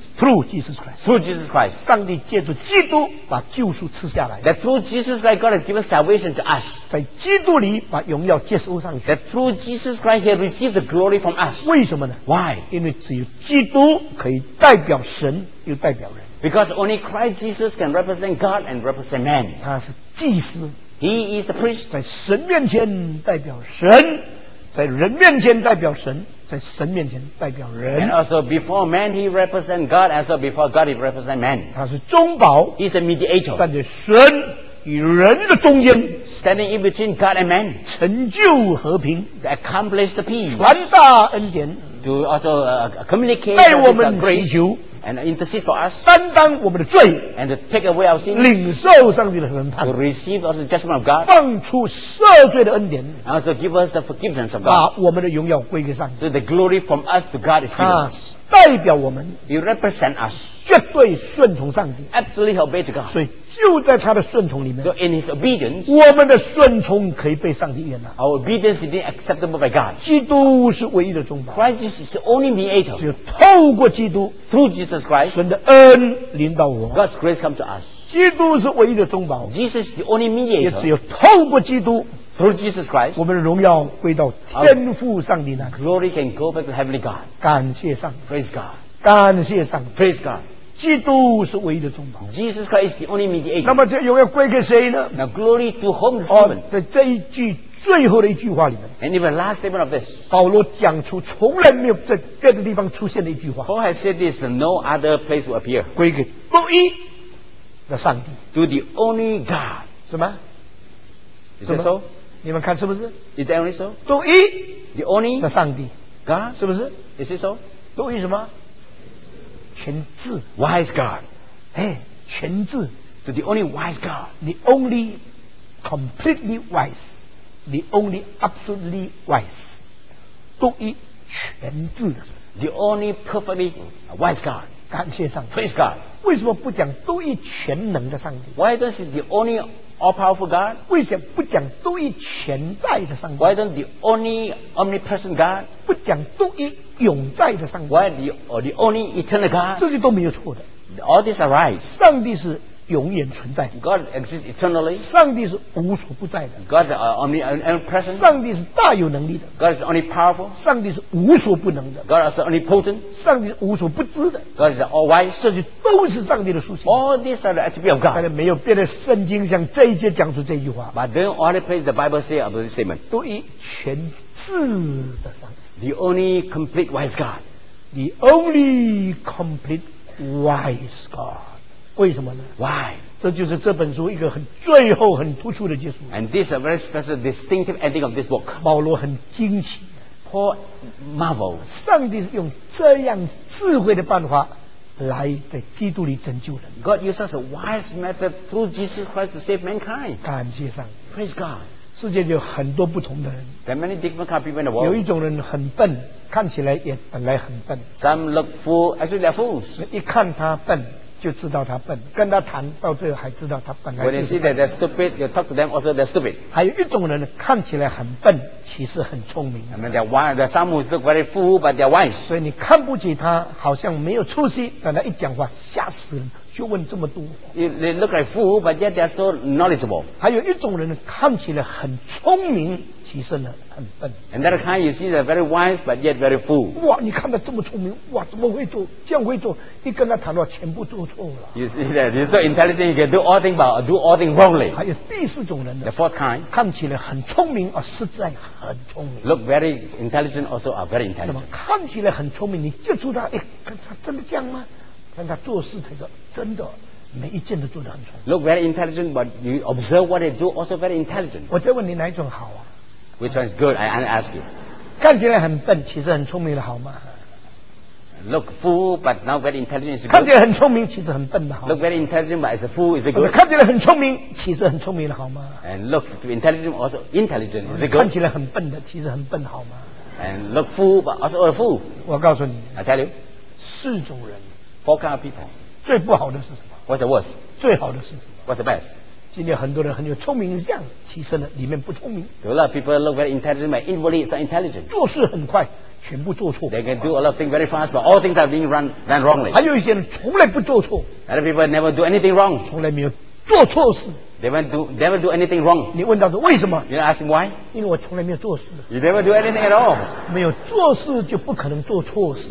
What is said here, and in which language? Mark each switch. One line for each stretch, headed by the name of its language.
English: Through Jesus Christ. Through Jesus Christ.
Chinese: 上帝借着基督把救赎赐下来。
English: That through Jesus Christ God has given salvation to us.
Chinese: 在基督里把荣耀接收上去。
English: That through Jesus Christ He received the glory from us.
Chinese: 为什么呢
English: ？Why？
Chinese: 因为只有基督可以代表神又代表人。
English: Because only Christ Jesus can represent God and represent man.
Chinese: 他是祭司。
English: He is the priest.
Chinese: 在神面前代表神，在人面前代表神，在神面前代表人。
English: And also before man he represents God, and also before God he represents man.
Chinese: 他是中保。
English: He's a mediator.
Chinese: 站在神与人的中间。
English: Standing in between God and man.
Chinese: 成就和平。
English: To accomplish the peace.
Chinese: 传达恩典。
English: To also communicate with the grace. And intercede for us.
Chinese: 担当我们的罪。
English: And to take away our sins.
Chinese: 领受上帝的审判。
English: To receive also the judgment of God.
Chinese: 放出赦罪的恩典。
English: And also give us the forgiveness of God.
Chinese: 把我们的荣耀归给上帝。
English: So the glory from us to God is given.
Chinese: 代表我们。
English: He represents us.
Chinese: 绝对顺从上帝。
English: Absolutely obey to God.
Chinese: 所以就在他的顺从里面。
English: So in his obedience.
Chinese: 我们的顺从可以被上帝悦纳。
English: Our obedience is being acceptable by God.
Chinese: 基督是唯一的中保。
English: Christ is the only mediator.
Chinese: 只有透过基督。
English: Through Jesus Christ.
Chinese: 神的恩临到我。
English: God's grace comes to us.
Chinese: 基督是唯一的中保。
English: Jesus is the only mediator.
Chinese: 也只有透过基督。
English: Through Jesus Christ.
Chinese: 我们的荣耀归到天父上帝那。
English: Glory can go back to heavenly God.
Chinese: 感谢上帝。
English: Praise God.
Chinese: 感谢上帝。
English: Praise God.
Chinese: 基督是唯一的中保。
English: Jesus Christ is the only mediator.
Chinese: 那么这荣耀归给谁呢？
English: Now glory to whom is given?
Chinese: 在这一句最后的一句话里面。
English: And in the last statement of this.
Chinese: 保罗讲出从来没有在别的地方出现的一句话。
English: Paul has said this, no other place will appear.
Chinese: 归给独一的上帝。
English: To the only God.
Chinese: 什么？
English: Is that so?
Chinese: 你们看是不是？
English: Is that only so?
Chinese: 独一。
English: The only.
Chinese: 的上帝。
English: God.
Chinese: 是不是？
English: Is it so?
Chinese: 独一什么？全智
English: wise God，
Chinese: 哎，全智
English: to the only wise God， the only completely wise， the only absolutely wise，
Chinese: 独一全智
English: the only perfectly wise God，
Chinese: 感谢上帝
English: praise God，
Chinese: 为什么不讲独一全能的上帝
English: ？Why does it the only all powerful God？
Chinese: 为什么不讲独一全在的上帝
English: ？Why don't the only omnipresent God？
Chinese: 不讲独一。永在的上帝
English: Why the only eternal God
Chinese: 这些都没有错的
English: All these are right
Chinese: 上帝是永远存在。
English: God exists eternally.
Chinese: 上帝是无所不在的。
English: God is omnipresent.
Chinese: 上帝是大有能力的。
English: God is omnipowerful.
Chinese: 上帝是无所不能的。
English: God is omnipotent.
Chinese: 上帝是无所不知的。
English: God is all wise.
Chinese: 这些都是上帝的属性。
English: All these are the attributes of God.
Chinese: 但是没有别的圣经像这一节讲出这句话。
English: But then all the places the Bible say about this statement.
Chinese: 独一全智的上帝。
English: The only complete wise God. The only complete wise God.
Chinese: 为什么呢
English: ？Why？
Chinese: 这就是这本书一个很最后很突出的结束。
English: And this is a very special distinctive ending of this book.
Chinese: 保罗很惊奇
English: ，Paul marvels.
Chinese: 上帝是用这样智慧的办法来在基督里拯救人。
English: God uses a wise method through Jesus Christ to save mankind.
Chinese: 感谢上帝
English: ，Praise God.
Chinese: 世界有很多不同的人
English: ，There are many different kind of people in the world.
Chinese: 有一种人很笨。看起来也本来很笨。
English: Some look fool, actually they're fools.
Chinese: 一看他笨，就知道他笨。跟他谈到最后还知道他本来就是笨。
English: When you see that they're stupid, you talk to them also they're stupid.
Chinese: 还有一种人看起来很笨，其实很聪明。
English: I mean they're wise. There are some who look very fool, but they're wise.
Chinese: 所以你看不起他，好像没有出息，但他一讲话吓死人，就问这么多。
English: They look like fool, but yet they're so knowledgeable.
Chinese: 还有一种人看起来很聪明。其实呢很笨。
English: And that kind you see is very wise but yet very fool.
Chinese: 哇，你看他这么聪明，哇，怎么会做？这样会做？一跟他谈话，全部做错了。
English: You see that you're so intelligent, you can do all things but do all things wrongly.
Chinese: 还有第四种人呢。
English: The fourth kind.
Chinese: 看起来很聪明啊，实在很聪明。
English: Look very intelligent, also are very intelligent.
Chinese: 那么看起来很聪明，你接触他，哎，看他真的这样吗？看他做事这个真的。每一件都做得很聪明。
English: Look very intelligent, but you observe what they do, also very intelligent.
Chinese: 我再问你哪一种好啊？
English: Which one is good? I ask you.
Chinese: 看起来很笨，其实很聪明的好吗
English: ？Look fool, but not very intelligent.
Chinese: 看起来很聪明，其实很笨的好吗
English: ？Look very intelligent, but as a fool is it good?
Chinese: 看起来很聪明，其实很聪明的好吗
English: ？And look intelligent, also intelligent is it good?
Chinese: 看起来很笨的，其实很笨好吗
English: ？And look fool, but also a fool.
Chinese: 我告诉你
English: ，I tell you,
Chinese: 四种人
English: ，four kind of people.
Chinese: 最不好的是什么
English: ？What's the worst?
Chinese: 最好的是什么
English: ？What's the best?
Chinese: 今天很多人很有聪明相，其实呢里面不聪明。
English: A lot of people look very intelligent, but inwardly it's not intelligent.
Chinese: 做事很快，全部做错。
English: They can do a lot of things very fast, but all things are being done wrongly.
Chinese: 还有一些人从来不做错。
English: Other people never do anything wrong.
Chinese: 从来没有做错事。
English: They never do anything wrong.
Chinese: 你问到说为什么
English: ？You ask him why?
Chinese: 因为我从来没有做事。
English: You never do anything at all.
Chinese: 没有做事就不可能做错事。